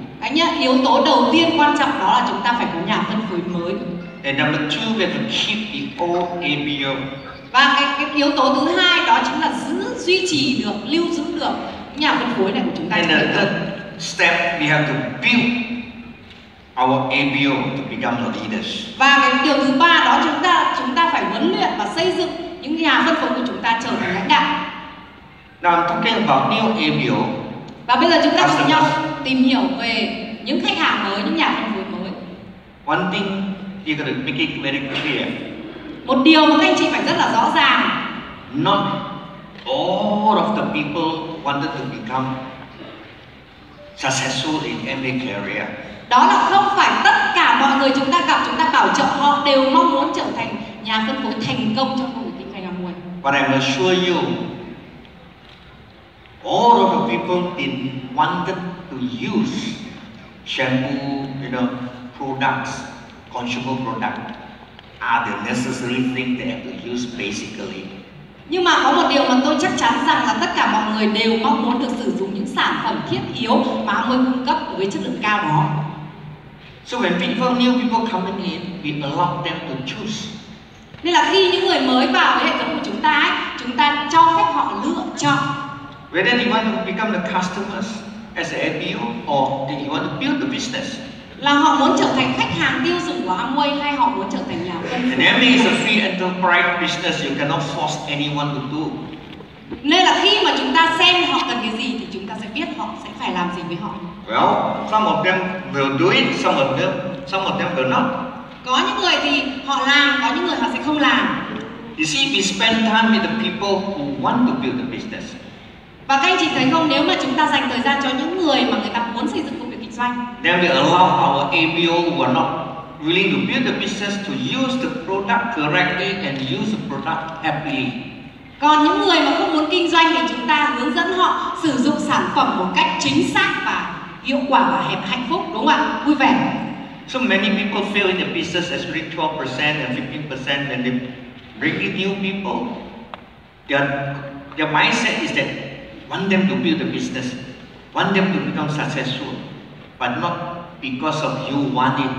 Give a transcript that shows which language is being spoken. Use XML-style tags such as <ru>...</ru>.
<vi>Anh nhá, yếu tố đầu tiên quan trọng đó là chúng ta phải có nhà phân phối mới.</vi> <en>And number two, we have to keep the old MBO.</en> <vi>Và cái yếu tố thứ hai đó chính là lưu giữ được nhà phân phối này của chúng ta.</vi> <en>And the third step, we have to build our MBO to become the leaders.</en> <vi>Và cái điều thứ ba đó chúng ta phải huấn luyện và xây dựng những nhà phân phối của chúng ta trở thành lãnh đạo.</vi> <en>Now I'm talking about new MBO.</en> <vi>Và bây giờ chúng ta cùng nhau tìm hiểu về những khách hàng mới, những nhà phân phối mới.</vi> <en>One thing you gotta make it very clear.</en> <vi>Một điều mà các anh chị phải rất là rõ ràng.</vi> <en>Not all of the people wanted to become successful in MBA career.</en> <vi>Đó là không phải tất cả mọi người chúng ta gặp, chúng ta bảo trợ họ đều mong muốn trở thành nhà phân phối thành công trong công việc kinh doanh Amway.</vi> <en>But I'm assure you, all of the people did wanted to use shampoo, you know, products, consumer products, are the necessary things they have to use basically.</en> <vi>Nhưng mà có một điều mà tôi chắc chắn rằng là tất cả mọi người đều mong muốn được sử dụng những sản phẩm thiết yếu mà Amway cung cấp với chất lượng cao đó.</vi> <en>So when people, new people coming in, we allow them to choose.</en> <vi>Nên là khi những người mới vào với hệ thống của chúng ta ấy, chúng ta cho phép họ lựa chọn.</vi> <en>Whether they want to become the customers as an MBO or they want to build the business.</en> <vi>Là họ muốn trở thành khách hàng tiêu dùng của Amway hay họ muốn trở thành nhà phân phối.</vi> <en>Amway is a free enterprise business. You cannot force anyone to do.</en> <vi>Nên là khi mà chúng ta xem họ cần cái gì thì chúng ta sẽ biết họ sẽ phải làm gì với họ.</vi> <en>Well, some of them will do it, some of them will not.</en> <vi>Có những người thì họ làm, có những người họ sẽ không làm.</vi> <en>You see, we spend time with the people who want to build the business.</en> <vi>Và các anh chị thấy không, nếu mà chúng ta dành thời gian cho những người mà người ta muốn xây dựng công việc kinh doanh,</vi> <en>then we allow our MBO who are not willing to build the business to use the product correctly and use the product happily.</en> <vi>Còn những người mà không muốn kinh doanh thì chúng ta hướng dẫn họ sử dụng sản phẩm một cách chính xác và hiệu quả và hạnh phúc, đúng không ạ? Vui vẻ.</vi> <en>So many people fail in the business, especially 12% and 15%, and they bring in new people. Their mindset is that want them to build a business, want them to become successful, but not because of you want it.</en>